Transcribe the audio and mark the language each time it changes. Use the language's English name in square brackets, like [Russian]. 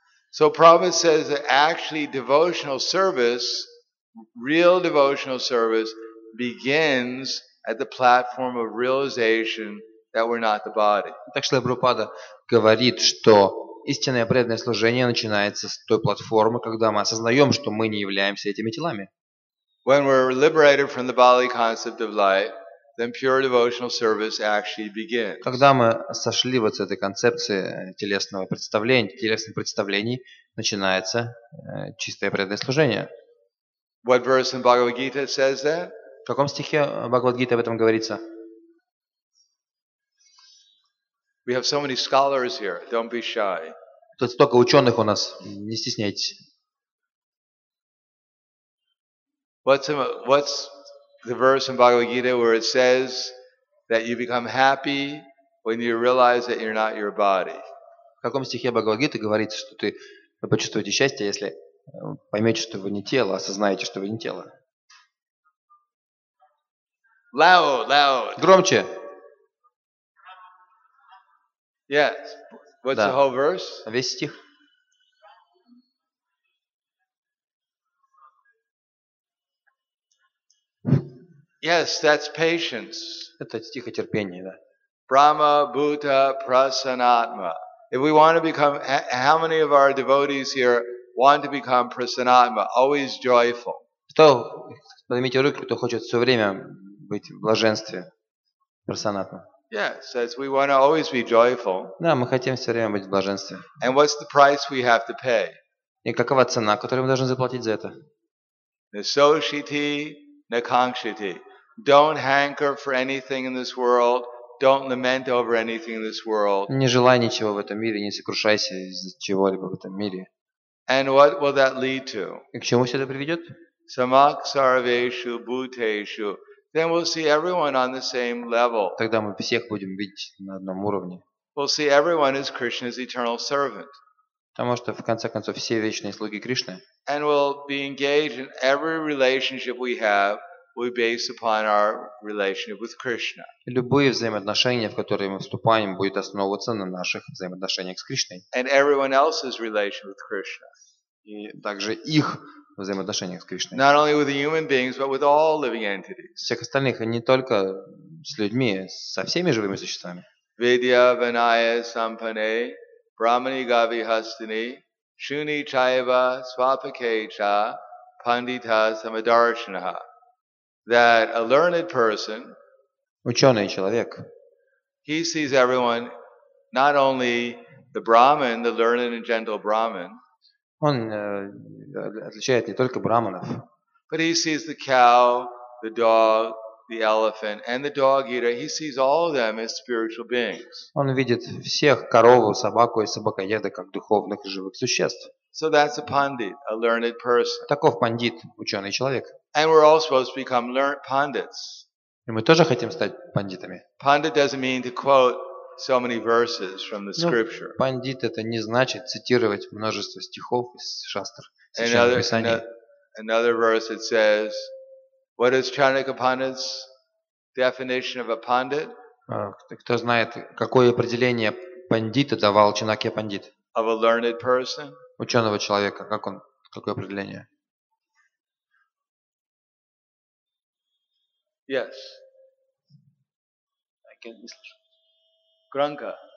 [English] So Prabhupada says that actually devotional service, real devotional service, begins at the platform of realization that we're not the body. [Russian] Так что Прабхупада говорит, что истинное преданное служение начинается с той платформы, когда мы осознаем, что мы не являемся этими телами. [English] When we're liberated from the bodily concept of life, then pure devotional service actually begins. [Russian] Когда мы сошли вот с этой концепции телесного представления, телесных представлений, начинается чистое преданное служение. [English] What verse in Bhagavad Gita says that? [Russian] В каком стихе Бхагавад Гита об этом говорится? [English] We have so many scholars here. Don't be shy. [Russian] Тут столько ученых у нас. Не стесняйтесь. [English] What's the verse in Bhagavad Gita where it says that you become happy when you realize that you're not your body? [Russian] В каком стихе Бхагавад Гита говорится, что вы почувствуете счастье, если поймете, что вы не тело, осознаете, что вы не тело? [English] Loud. [Russian] Громче. [English] Yes. What's [Russian] да. [English] The whole verse? [Russian] Весь стих. [English] Yes, that's patience. [Russian] Это стих о терпении, да. [Sanskrit] Brahma, Bhuta, Prasanatma. [English] If we want to become, how many of our devotees here want to become Prasanatma, always joyful? [Russian] Кто, поднимите руки, кто хочет все время быть в блаженстве, Прасанатма? [English] Yes, as we want to always be joyful. [Russian] Да, мы хотим все время быть в блаженстве. [English] And what's the price we have to pay? [Russian] И какова цена, которую мы должны заплатить за это? [Sanskrit] Nisoshiti, nakankshiti. [English] Don't hanker for anything in this world. Don't lament over anything in this world. [Russian] Не желай ничего в этом мире, не сокрушайся из-за чего-либо в этом мире. [English] And what will that lead to? [Russian] И к чему все это приведет? [Sanskrit] Samak sarveshu bhuteshu. [English] Then we'll see everyone on the same level. [Russian] Тогда мы всех будем видеть на одном уровне. [English] We'll see everyone as Krishna's eternal servant. [Russian] Потому что в конце концов все вечные слуги Кришны. [English] And we'll be engaged in every relationship we have will be based upon our relationship with Krishna. [Russian] Любые взаимоотношения, в которые мы вступаем, будут основываться на наших взаимоотношениях с Кришной. [English] And everyone else's relationship with Krishna. [Russian] И также их взаимоотношениях с Кришной. [English] Not only with the human beings, but with all living entities. [Russian] Всех остальных, а не только с людьми, со всеми живыми существами. [Sanskrit] Vidya Vinaya Sampane Brahmani Gavi Hastini Shuni Chaiva Swapakecha Pandita Samadarshanaha. [English] That a learned person, [Russian] ученый человек, [English] he sees everyone, not only the Brahman, the learned and gentle Brahman, [Russian] он отличает не только брахманов. [English] But he sees the cow, the dog, the elephant and the dog eater, he sees all of them as spiritual beings. [Russian] Он видит всех корову, собаку и собакоеда как духовных живых существ. [English] So that's a pandit, a learned person. [Russian] Таков пандит, ученый человек. [English] And we're all supposed to become learned pandits. [Russian] И мы тоже хотим стать пандитами. [English] Pandit doesn't mean to quote so many verses from the scripture. [Russian] Пандит это не значит цитировать множество стихов из шастр. [English] Another verse it says, what is Chanakapandit's definition of a pandit? [Russian] Кто знает, какое определение пандита давал Чанакья пандит? [English] Of a learned person? [Russian] Ученого человека, как он, какое определение? [English] Yes. I can't miss. Granka.